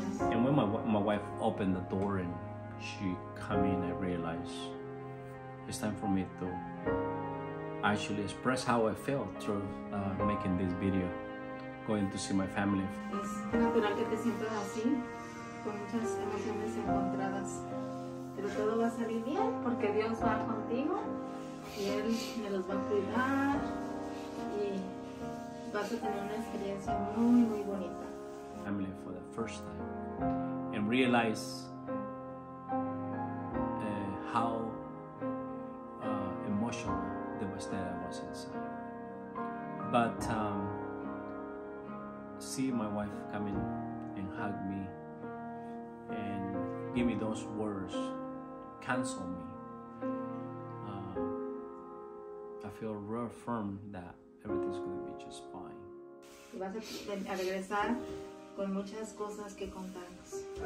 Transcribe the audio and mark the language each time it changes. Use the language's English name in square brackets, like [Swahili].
[English] And when my wife opened the door and she came in, I realized it's time for me to actually express how I felt through making this video, going to see my family. [Spanish] Es natural que te sientas así, con muchas emociones encontradas, pero todo va a salir bien porque Dios va contigo y Él me los va a cuidar. [English] Family for the first time and realize how emotional devastated I was inside. But see my wife come in and hug me and give me those words, cancel me. I feel reaffirmed that everything's going to be just fine. [Spanish] Y vas a regresar con muchas cosas que contarnos.